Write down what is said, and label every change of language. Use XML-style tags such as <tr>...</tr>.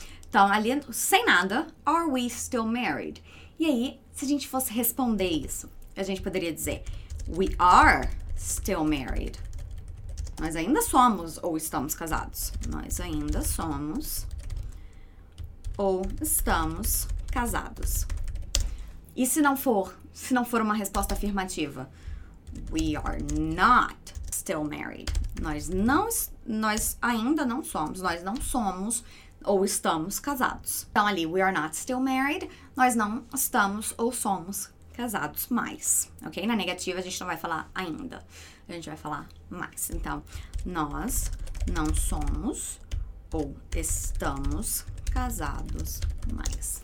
<pt>Então, ali, sem nada,</pt> <en>are we still married?</en> <pt>E aí, se a gente fosse responder isso, a gente poderia dizer</pt> <en>we are still married.</en> <pt>Nós ainda somos ou estamos casados? Nós ainda somos ou estamos casados. E se não for uma resposta afirmativa?</pt> <en>We are not still married.</en> <pt>Nós ainda não somos, nós não somos ou estamos casados. Então ali,</pt> <en>we are not still married,</en> <pt>nós não estamos ou somos casados, mas, ok? Na negativa, a gente não vai falar ainda. A gente vai falar mais. Então, nós não somos ou estamos casados mais.</pt>